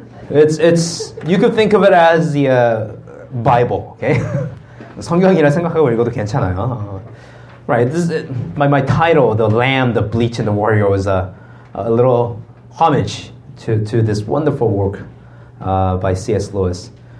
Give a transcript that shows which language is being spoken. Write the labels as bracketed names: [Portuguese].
[English] It's you could think of it as the Bible, okay? [Korean] 성경이라 생각하고 읽어도 괜찮아요. [English] Right, this is it. My title, The Lamb, the Bleach, and the Warrior, was a little homage to this wonderful work by C.S. Lewis.